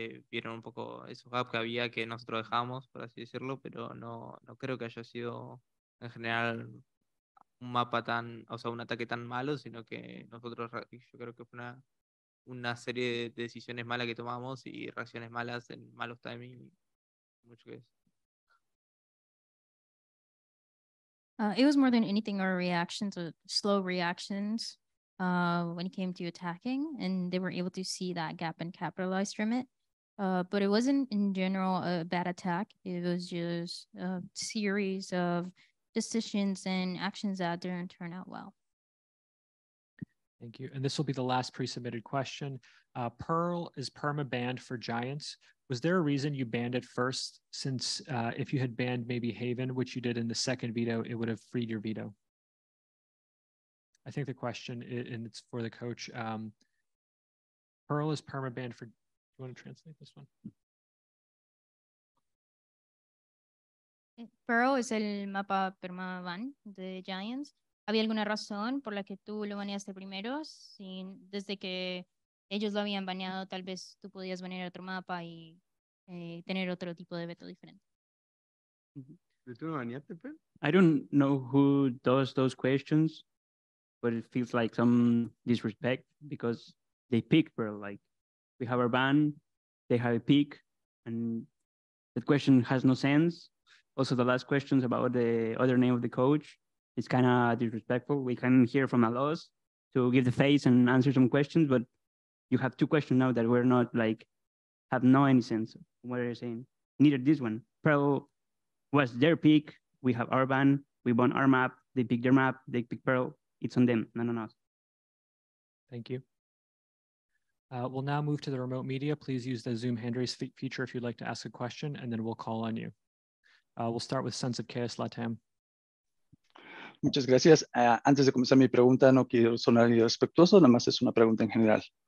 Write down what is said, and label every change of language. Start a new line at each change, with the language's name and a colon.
Spanish: vieron un poco esos gaps que había que nosotros dejamos, por así decirlo, pero no creo que haya sido en general un mapa tan, o sea, un ataque tan malo, sino que nosotros, yo creo que fue una serie de decisiones malas que tomamos y reacciones malas en malos timing, mucho que es.
English: It was more than anything our reactions, or slow reactions, when it came to attacking, and they were able to see that gap and capitalize from it. But it wasn't in general a bad attack. It was just a series of decisions and actions that didn't turn out well. Thank you. And this will be the last pre-submitted question. Pearl is perma banned for Giants. Was there a reason you banned it first? Since if you had banned maybe Haven, which you did in the second veto, it would have freed your veto. I think the question, and it's for the coach. Pearl is perma banned for. Do you want to translate this one?
Spanish: Pearl es el mapa permaban de Giants. ¿Había alguna razón por la que tú lo baneaste primero? Sin, desde que ellos lo habían baneado, tal vez tú podías banear otro mapa y tener otro tipo de veto diferente. ¿Tú lo baneaste, Pearl?
English: I don't know who does those questions, but it feels like some disrespect because they picked Pearl, like, we have our ban, they have a peak, and the question has no sense. Also, the last questions about the other name of the coach is kind of disrespectful. We can hear from Alos to give the face and answer some questions, but you have two questions now that were not like, have no any sense. What are you saying? Neither this one. Pearl was their peak. We have our ban. We won our map. They picked their map. They picked Pearl. It's on them, not on us. Thank you. We'll now move to the remote media. Please use the Zoom hand raise feature if you'd like to ask a question, and then we'll call on you. We'll start with Sons of Chaos Latam.
Spanish: Muchas gracias. Antes de comenzar mi pregunta, no quiero sonar irrespetuoso, nada más es una pregunta en general.